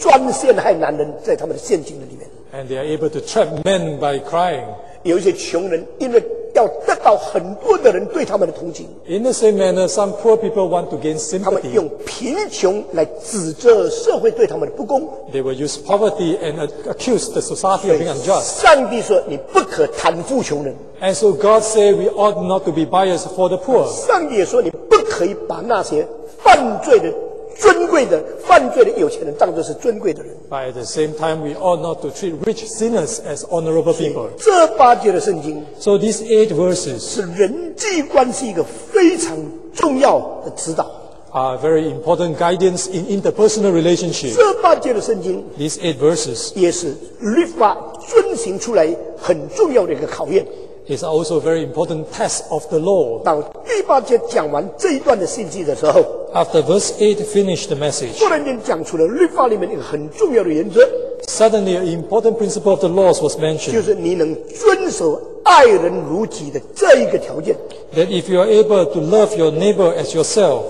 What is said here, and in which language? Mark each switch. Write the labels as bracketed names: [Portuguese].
[Chinese] 他们故意用令人哀、令人同情的哀情来专陷害男人，在他们的陷阱的里面。 [English] And they are able to trap men by crying. [Chinese] 有一些穷人因为要得到很多的人对他们的同情。 [English] In the same manner, some poor people want to gain sympathy. [Chinese] 他们用贫穷来指责社会对他们的不公。 [English] They will use poverty and accuse the society of being unjust. [Chinese] 上帝说你不可贪负穷人。 [English] And so God said we ought not to be biased for the poor. [Chinese] 上帝也说你不可以把那些犯罪的、尊贵的、犯罪的有钱人当作是尊贵的人。 [English] But at the same time, we ought not to treat rich sinners as honorable people. [Chinese] 这八节的圣经, [English] so these 8 verses [Chinese] 是人际关系一个非常重要的指导。 [English] Are very important guidance in interpersonal relationships. [Chinese] 这八节的圣经, [English] these 8 verses [Chinese] 也是律法遵行出来很重要的一个考验。 [English] It's also a very important test of the law. [Chinese] 当第八节讲完这一段的信息的时候, [English] after verse 8 finished the message, [Chinese] 突然间讲出了律法里面一个很重要的原则, [English] suddenly an important principle of the laws was mentioned. [Chinese] 就是你能遵守爱人如己的这一个条件, [English] that if you are able to love your neighbor as yourself,